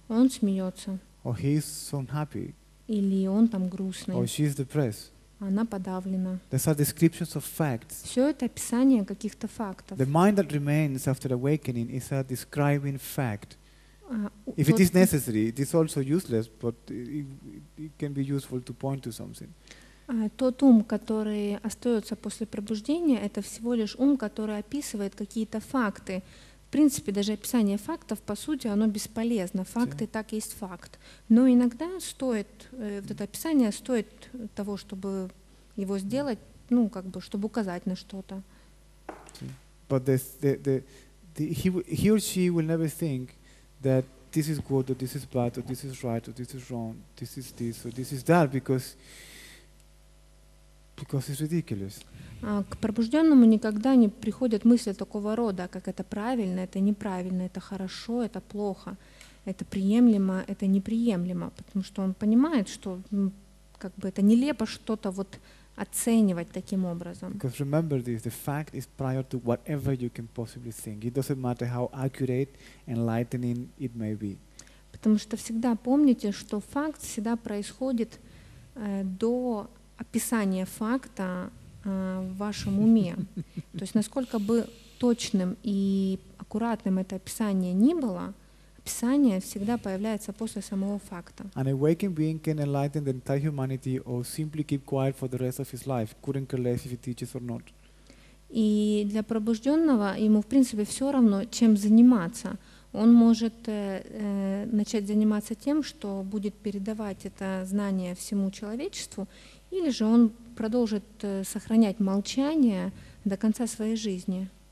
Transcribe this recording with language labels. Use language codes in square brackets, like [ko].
[ru] Он смеется. [en] Or he's so happy. [ru] Или он там грустный. [en] Or she's depressed. [ru] Она подавлена. [en] These are descriptions of facts. [ru] Все это описание каких-то фактов. [en] The mind that remains after awakening is a describing fact. If it is necessary, it is also useless, but it can be useful to point to something. [ru] Тот ум, который остается после пробуждения, это всего лишь ум, который описывает какие-то факты. В принципе, даже описание фактов, по сути, оно бесполезно. Факты так есть факт. Но иногда стоит, вот это описание стоит того, чтобы его сделать, ну, как бы, чтобы указать на что-то. [en] But he or she will never think that this is good, or this is bad, or this is right, or this is wrong, this is this, or this is that, because it's ridiculous. [ru] К пробужденному никогда не приходят мысли такого рода, как это правильно, это неправильно, это хорошо, это плохо, это приемлемо, это неприемлемо, потому что он понимает, что как бы это нелепо что-то вот оценивать таким образом. [en] Because remember this, the fact is prior to whatever you can possibly think. It doesn't matter how accurate, enlightening it may be. [ru] Потому что всегда помните, что факт всегда происходит до описания факта в вашем уме. То есть насколько бы точным и аккуратным это описание ни было, описание всегда появляется после самого факта. [en] An awakened being can enlighten the entire humanity or simply keep quiet for the rest of his life, couldn't care less if he teaches or not. [ru] И для пробужденного ему в принципе все равно, чем заниматься. Он может начать заниматься тем, что будет передавать это знание всему человечеству, или же он продолжит сохранять молчание до конца своей жизни.